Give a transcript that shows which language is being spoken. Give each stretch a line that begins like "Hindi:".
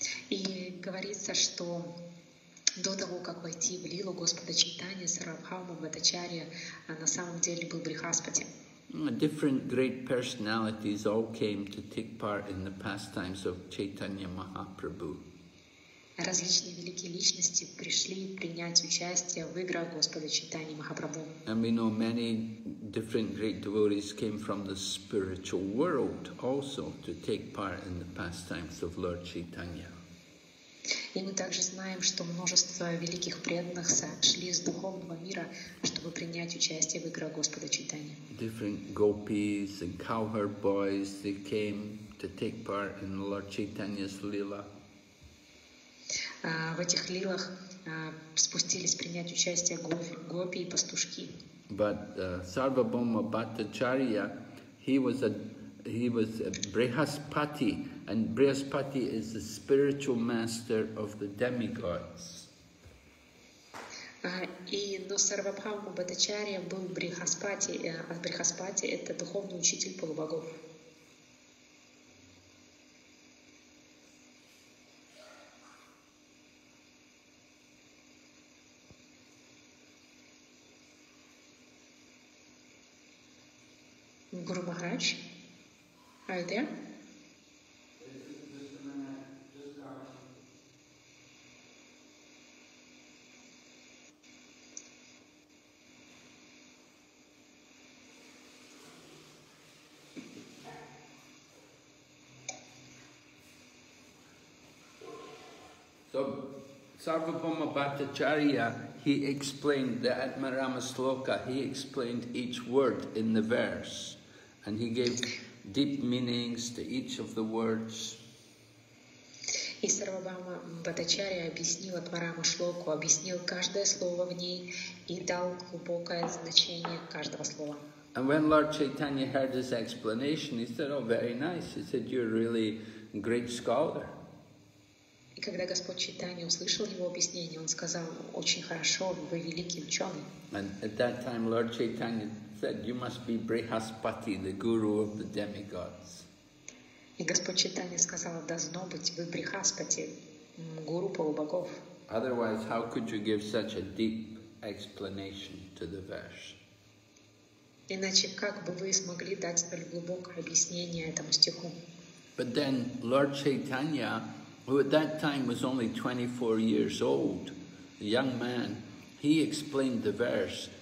Russian: И говорится, что до того, как войти в лилу Господа Чайтанья, Сарвабхаума Бхаттачарья на самом деле был брихаспати.
English: Different great personalities all came to take part in the pastimes of Chaitanya Mahaprabhu.
Russian: Различные великие личности пришли принять участие в играх Господа Чайтанья Махапрабху.
English: And we know many different great devotees came from the spiritual world also to take part in the pastimes of Lord Chaitanya.
Russian: И мы также знаем, что множество великих преданных сошли из духовного мира, чтобы принять участие в играх Господа Чайтанья.
English: Different gopis and cowherd boys, they came to take part in Lord Chaitanya's lila.
Russian: В этих лилах спустились принять участие гопи и пастушки.
English: But Sarvabhauma Bhattacharya, he was a Brihaspati. And Brihaspati is the spiritual master of the demigods.
Russian: Но Сарвабхаума Бхаттачарья был Брихаспати, а Брихаспати — это духовный учитель полубогов.
English: Гуру Махарадж, are you there? So Sarvabhauma Bhattacharya, he explained the Atmarama Sloka, he explained each word in the verse and he gave deep meanings to each of the words.
Russian: И Сарвабхаума Бхаттачарья объяснил Атмараму Шлоку, объяснил каждое слово в ней и дал глубокое значение каждого слова.
English: And when Lord Chaitanya heard his explanation, he said, "Oh, very nice." He said, "You're really a great scholar."
Russian: И когда Господь Чайтанья услышал его объяснение, он сказал, "Очень хорошо, вы великий ученый."
English: And at that time, Lord Chaitanya said, "You must be Brihaspati, the guru of the demigods."
Russian: И Господь Чайтанья сказал, должно быть, вы Брихаспати, гуру полубогов.
English: Otherwise, how could you give such a deep explanation to the verse?
Russian: Иначе как бы вы смогли дать столь глубокое объяснение этому стиху?
English: But then Lord Chaitanya, who at that time was only 24 years old, a young man, he explained the verse.